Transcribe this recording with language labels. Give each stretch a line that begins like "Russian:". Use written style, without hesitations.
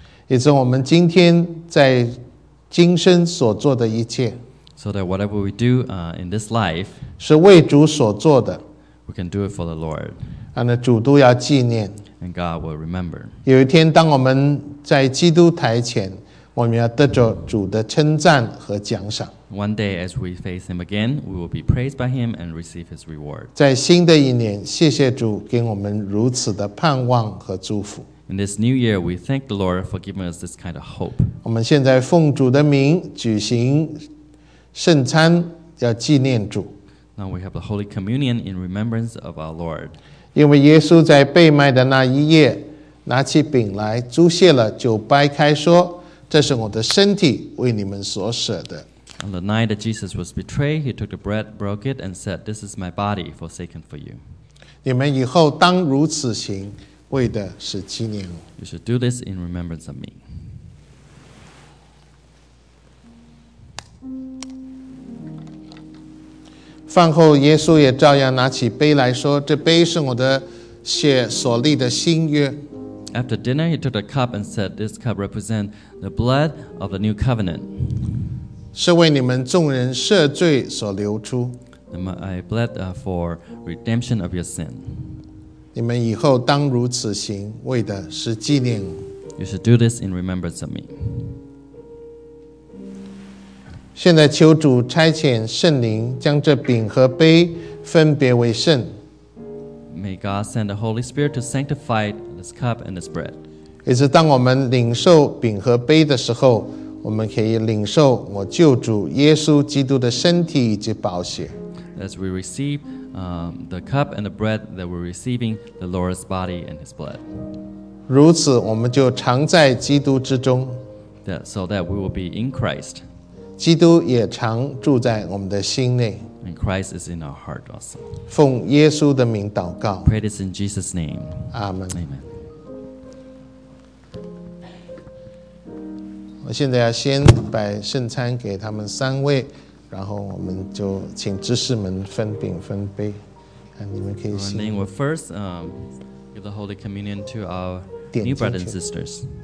Chinese: 也是我们今天在今生所做的一切。
English: So that whatever we do in this life,
Chinese: 是为主所做的。
English: We can do it for the Lord.
Chinese: 那主都要纪念。
English: And God will remember.
Chinese: 有一天，当我们在基督台前，我们要得着主的称赞和奖赏。
English: One day, as we face Him again, we will be praised by Him and receive His reward.
Chinese: 在新的一年，谢谢主给我们如此的盼望和祝福。
English: In this new year, we thank the Lord for giving us this kind of hope.
Chinese: 我们现在奉主的名举行圣餐，要纪念主。
English: Now we have the Holy Communion in remembrance of our Lord.
Chinese: 因为耶稣在被卖的那一夜，拿起饼来，祝谢了，就掰开说：“这是我的身体，为你们所舍的。”
English: On the night that Jesus was betrayed, he took the bread, broke it, and said, "This is my body, forsaken for you."
Chinese: 你们以后当如此行，为的是纪念我。
English: You should do this in remembrance of me.
Chinese: 饭后，耶稣也照样拿起杯来说：“这杯是我的血所立的新约。”
English: After dinner, he took the cup and said, "This cup represents the blood of the new covenant."
Chinese: 是为你们众人赦罪所流出。
English: My blood for redemption of your sin.
Chinese: 你们以后当如此行，为的是纪念我。
English: You should do this in remembrance of me.
Chinese: 现在求主差遣圣灵，将这饼和杯分别为圣。
English: May God send the Holy Spirit to sanctify this cup and this bread.
Chinese: 也是当我们领受饼和杯的时候，我们可以领受我救主耶稣基督的身体以及宝血。
English: As we receive the cup and the bread, that we're receiving the Lord's body and His blood.
Chinese: 如此，我们就常在基督之中。
English: So that we will be in Christ.
Chinese: 基督也常住在我们的心内。
English: And Christ is in our heart also.
Chinese: 奉耶稣的名祷告。
English: Pray this in Jesus' name. Amen. Amen.
Chinese: 我现在要先把圣餐给他们三位，然后我们就请执事们分饼分杯。你们可以先。
English: Our name will first give the Holy Communion to our new brothers and sisters.